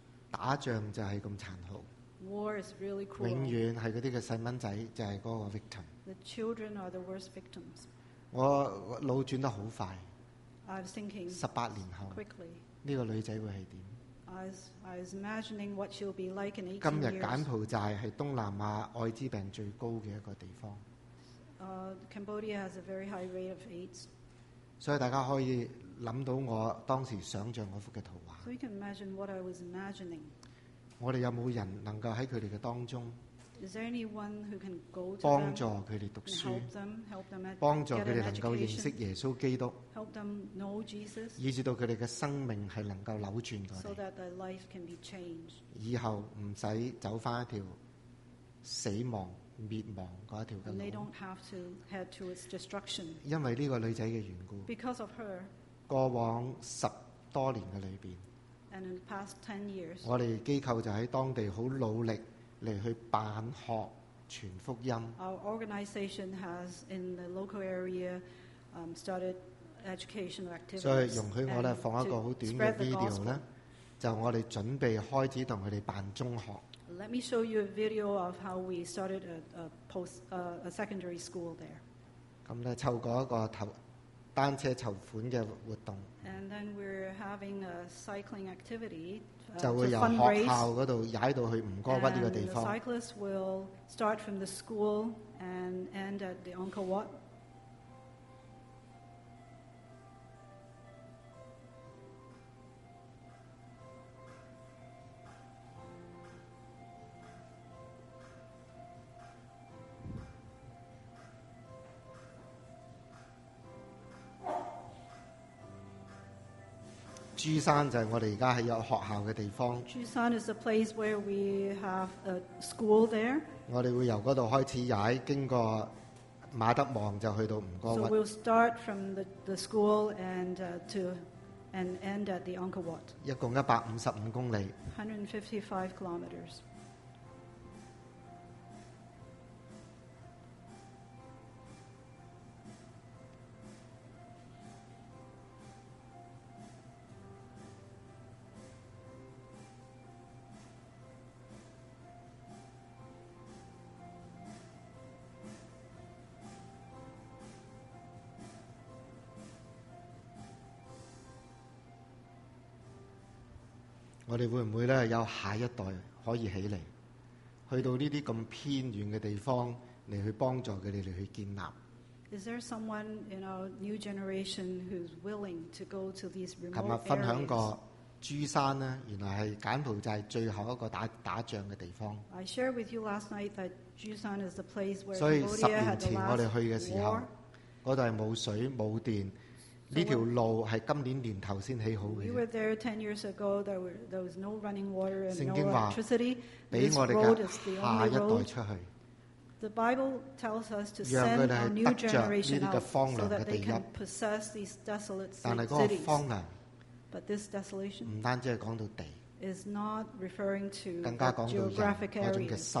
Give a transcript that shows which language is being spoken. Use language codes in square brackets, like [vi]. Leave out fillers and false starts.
[yue] 打仗就係咁殘酷。 [en] War is really cruel. [yue] 永遠係嗰啲嘅細蚊仔就係嗰個 victim。 [en] The children are the worst victims. [yue] 我腦轉得好快。 [en] I was thinking. [yue] 18年後 [en] ，quickly [yue] 呢個女仔會係點？ [en] I was imagining what she'll be like in 18 years. [yue] 今日柬埔寨是東南亞艾滋病最高的一個地方。 [en] Cambodia has a very high rate of AIDS. [yue] 所以大家可以想到我當時想像嗰幅嘅圖畫。 [en] So you can imagine what I was imagining. [yue] 我哋有冇人能夠喺佢哋嘅當中？ [en] Is there anyone who can go to them? [yue] 幫助佢哋讀書。 [en] Help them. Help them. [yue] 幫助佢哋能夠認識耶穌基督。 [en] Help them know Jesus. [yue] 以致到佢哋嘅生命係能夠扭轉過嚟。 [en] So that their life can be changed. [yue] 以後唔使走翻一條死亡。滅亡嗰一條嘅路。 [en] They don't have to head to its destruction. [yue] 因為呢個女仔嘅緣故。 [en] Because of her. [yue] 過往十多年嘅裏邊。 [en] And in the past 10 years. [yue] 我哋機構就喺當地好努力嚟去辦學傳福音。 [en] Our organization has in the local area started educational activities. [yue] 所以容許我咧放一個好短嘅 video 咧，就我哋準備開始同佢哋辦中學。 [en] Let me show you a video of how we started a secondary school there. [yue] 咁咧，湊過一個單車籌款嘅活動。 [en] And then we're having a cycling activity. [yue] 就會由學校嗰度踩到去吳哥窟呢個地方。 [en] The cyclists will start from the school and end at the Angkor Wat. [yue] 珠山就係我哋而家係有學校嘅地方。 [en] 珠山 is a place where we have a school there. [yue] 我哋會由嗰度開始踩，經過馬德望就去到吳哥窟。 [en] So we'll start from the school and end at the Angkor Wat. [yue] 一共155公里。 [en] 155 kilometers. [yue] 我哋會唔會咧有下一代可以起嚟，去到呢啲咁偏遠嘅地方嚟去幫助佢哋嚟去建立 [en] ？Is there someone in our new generation who's willing to go to these remote areas？ [yue] 琴日分享過珠山咧，原來係柬埔寨最後一個打仗嘅地方。 [en] I shared with you last night that Jushan is the place where [yue] 所以十年前我哋去嘅時候，嗰度係冇水冇電。呢條路係今年年頭先起好嘅。 [en] We were there 10 years ago. There was no running water and no electricity. This road is the only road. The Bible tells us to send our new generation out so that they can possess these desolate cities. But this desolation is not referring to the geographic area.